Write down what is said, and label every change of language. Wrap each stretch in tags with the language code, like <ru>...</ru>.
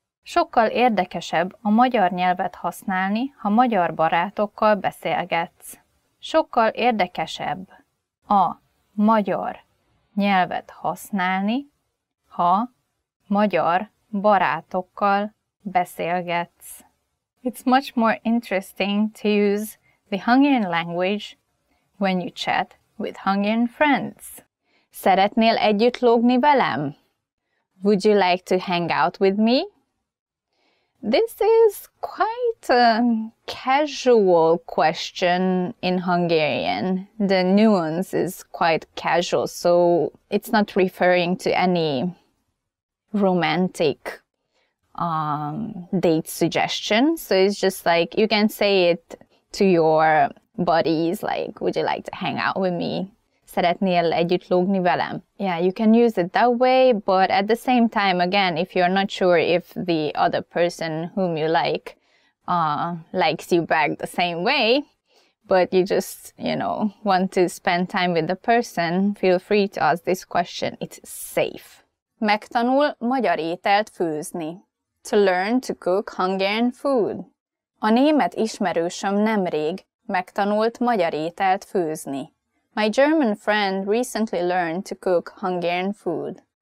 <hu>Sokkal érdekesebb a magyar nyelvet használni, ha magyar barátokkal beszélgetsz. Sokkal érdekesebb a magyar nyelvet használni, ha magyar barátokkal beszélgetsz.</hu> <en>It's much more interesting to use the Hungarian language when you chat with Hungarian friends.</en> <hu>Szeretnél együtt lógni velem?</hu> <en>Would you like to hang out with me? This is quite a casual question in Hungarian. The nuance is quite casual, so it's not referring to any romantic date suggestion. So it's just like you can say it to your buddies, like, would you like to hang out with me?</en> <hu>Szeretnél együtt lógni velem?</hu> <en>Yeah, you can use it that way, but at the same time, again, if you're not sure if the other person whom you like likes you back the same way, but you just, you know, want to spend time with the person, feel free to ask this question. It's safe.</en> <hu>Megtanul magyar ételt főzni.</hu> <en>To learn to cook Hungarian food.</en> <hu>A német ismerősöm nemrég megtanult magyar ételt főzni.</hu> <en>My German friend recently learned to cook Hungarian food.</en>